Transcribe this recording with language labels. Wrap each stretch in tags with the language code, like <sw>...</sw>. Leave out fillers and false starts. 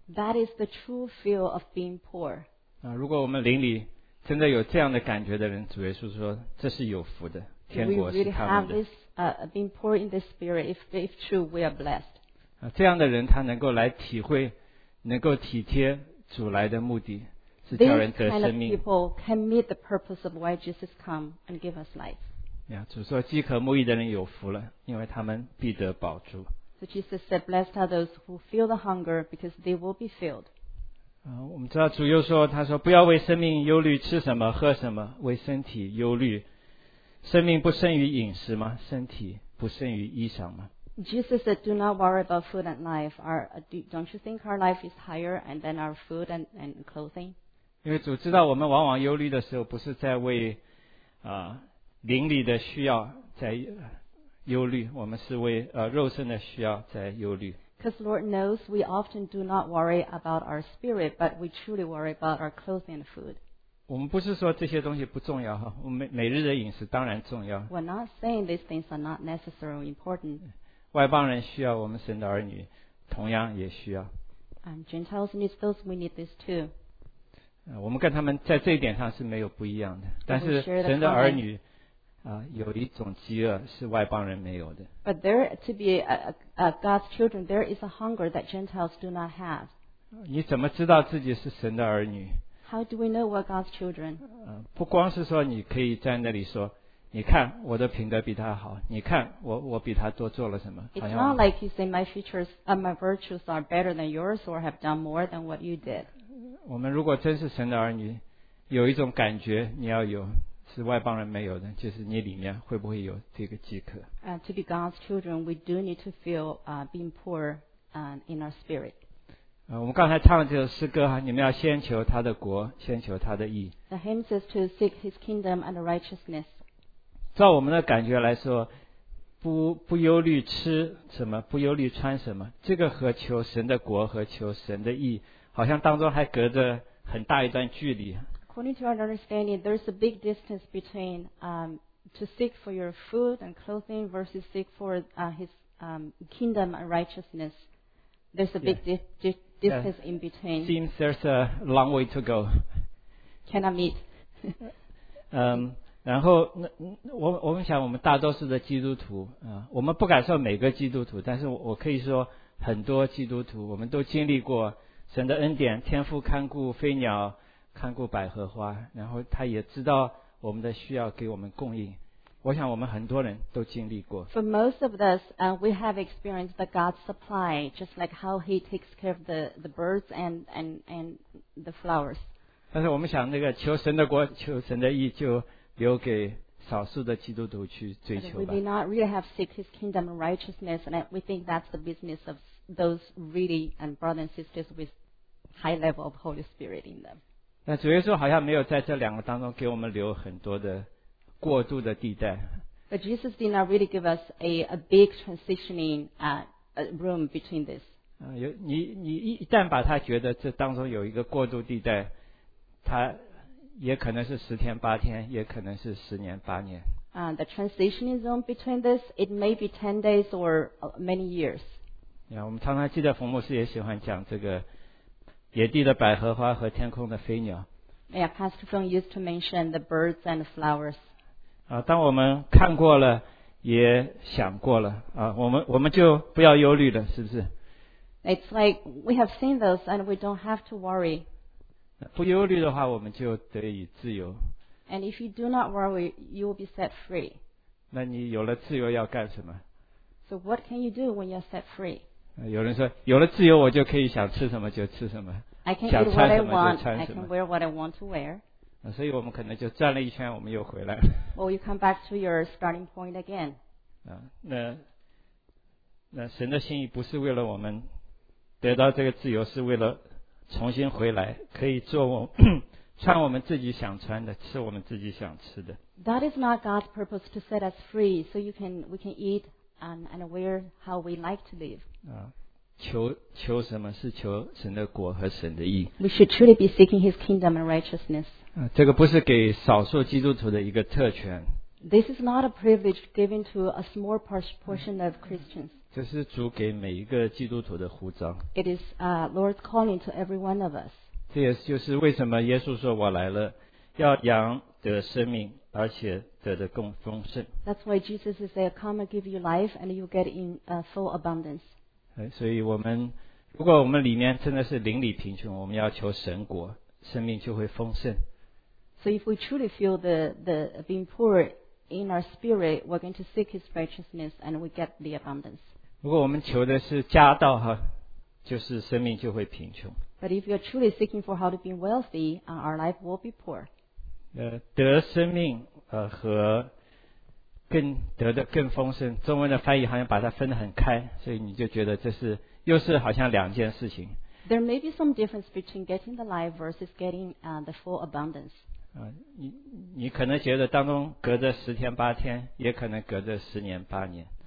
<en>That is the true feel of being poor.</en> <zh>如果我们灵里真的有这样的感觉的人，主耶稣说这是有福的。</zh> <en>We really have this being poor in the spirit. If true, we are blessed. These kind of people can meet the purpose of why Jesus come and give us life.</en> <zh>Yeah, 主说饥渴慕义的人有福了，因为他们必得饱足。</zh> <en>So Jesus said, "Blessed are those who feel the hunger, because they will be filled."</en> <zh>我们知道主又说，他说不要为生命忧虑吃什么喝什么，为身体忧虑。生命不胜于饮食吗？身体不胜于衣裳吗？</zh> <en>Jesus said, "Do not worry about food and life. Don't you think our life is higher and then our food and clothing?"</en> <zh>因为主知道我们往往忧虑的时候，不是在为灵里的需要在忧虑，我们是为肉身的需要在忧虑。</zh> <en>Because Lord knows we often do not worry about our spirit, but we truly worry about our clothing and food.</en> <zh>我们不是说这些东西不重要哈，我们每日的饮食当然重要。</zh> <en>We're not saying these things are not necessarily important.</en> <zh>外邦人需要，我们神的儿女同样也需要。</zh> <en>Gentiles need those, we need this too.</en> <zh>我们跟他们在这一点上是没有不一样的，但是神的儿女有一种饥饿是外邦人没有的。</zh> <en>But there to be a God's children, there is a hunger that Gentiles do not have.</en> <zh>你怎么知道自己是神的儿女？</zh> <en>How do we know we're God's children?</en> <zh>不光是说你可以在那里说，你看我的品德比他好，你看我比他多做了什么。</zh> <en>It's not like you say my features, my virtues are better than yours or have done more than what you did.</en> <zh>我们如果真是神的儿女，有一种感觉你要有，是外邦人没有的，就是你里面会不会有这个饥渴。</zh> <en>To be God's children, we do need to feel being poor in our spirit.</en> <zh>我们刚才唱的这首诗歌，你们要先求他的国，先求他的义。</zh> <en>The hymn says to seek his kingdom and righteousness.</en> <zh>照我们的感觉来说，不忧虑吃什么，不忧虑穿什么，这个和求神的国和求神的义，好像当中还隔着很大一段距离。</zh> <en>According to our understanding, there's a big distance between to seek for your food and clothing versus seek for his kingdom and righteousness. There's a big distance in between. Seems there's a long way to go. Cannot meet.</en> <zh>然后我们想，我们大多数的基督徒我们不敢说每个基督徒，但是我可以说很多基督徒，我们都经历过神的恩典，天父看顾飞鸟。看过百合花，然后他也知道我们的需要，给我们供应。我想我们很多人都经历过。</zh> <en>For most of us, we have experienced the God's supply, just like how He takes care of the birds and the flowers.</en> <zh>但是我们想，那个求神的国、求神的义，就留给少数的基督徒去追求吧。</zh> <en>We do not really have seek His kingdom and righteousness, and we think that's the business of those really and brothers and sisters with high level of Holy Spirit in them.</en> <zh>那主耶稣好像没有在这两个当中给我们留很多的过渡的地带。</zh> <en>But Jesus did not really give us a big transitioning room between this.</en> <zh>你一旦把他觉得这当中有一个过渡地带，他也可能是十天八天，也可能是十年八年。</zh> <en>The transitioning zone between this, it may be 10 days or many years.</en> <zh>我们常常记得冯牧师也喜欢讲这个。野地的百合花和天空的飞鸟。</zh> <en>Yeah, Pastor Feng used to mention the birds and the flowers.</en> <zh>当我们看过了，也想过了，我们就不要忧虑了，是不是</zh> <en>？It's like we have seen those and we don't have to worry.</en> <zh>不忧虑的话，我们就得以自由。</zh> <en>And if you do not worry, you will be set free.</en> <zh>那你有了自由要干什么</zh> <en>？So what can you do when you're set free?</en> <zh>有人说，有了自由，我就可以想吃什么就吃什么，想穿什么就穿什么。</zh> <en>I can wear what I want to wear.</en> <zh>所以我们可能就转了一圈，我们又回来了。</zh> <en>Well, you come back to your starting point again.</en> <zh>那神的心意不是为了我们得到这个自由，是为了重新回来，可以做我穿我们自己想穿的，吃我们自己想吃的。</zh> <en>That is not God's purpose to set us free, so we can eat. And where how we like to live.</en> <zh>求什么是求神的国和神的义。</zh> <en>We should truly be seeking His kingdom and righteousness.</en> <zh>这个不是给少数基督徒的一个特权。</zh> <en>This is not a privilege given to a small portion of Christians.</en> <zh>这是主给每一个基督徒的呼召。</zh> <en>It is Lord's calling to every one of us.</en> <zh>这也就是为什么耶稣说我来了，要养得生命。而且得的更丰盛。</zh> <en>That's why Jesus is there, come and give you life, and you get in full abundance.</en> <zh>所以我们如果我们里面真的是灵里贫穷，我们要求神国，生命就会丰盛。</zh> <en>So if we truly feel the being poor in our spirit, we're going to seek His righteousness, and we get the abundance.</en> <zh>如果我们求的是家道哈，就是生命就会贫穷。</zh> <en>But if you're truly seeking for how to be wealthy, our life will be poor.</en> <zh>得生命和更得的更丰盛，中文的翻译好像把它分得很开，所以你就觉得这是又是好像两件事情。</zh> <en>There may be some difference between getting the life versus getting the full abundance.</en> <zh>你可能觉得当中隔着十天八天，也可能隔着十年八年。</zh>